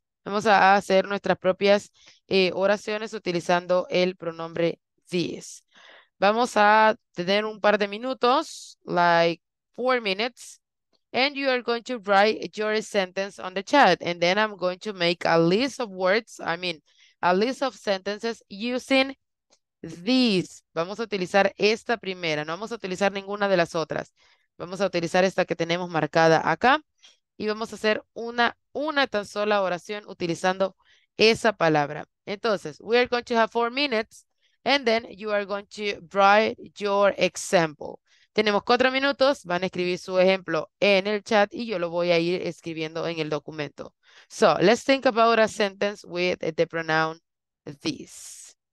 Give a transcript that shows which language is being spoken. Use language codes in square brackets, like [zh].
[es] Vamos a hacer nuestras propias oraciones utilizando el pronombre this. Vamos a tener un par de minutos, [en] like 4 minutes, and you are going to write your sentence on the chat, and then I'm going to make a list of words, I mean, a list of sentences using this. [es] Vamos a utilizar esta primera, no vamos a utilizar ninguna de las otras. Vamos a utilizar esta que tenemos marcada acá y vamos a hacer una tan sola oración utilizando esa palabra. [en] Entonces, we are going to have 4 minutes and then you are going to write your example. [es] Tenemos 4 minutos, van a escribir su ejemplo en el chat y yo lo voy a ir escribiendo en el documento. [en] So, let's think about a sentence with the pronoun this.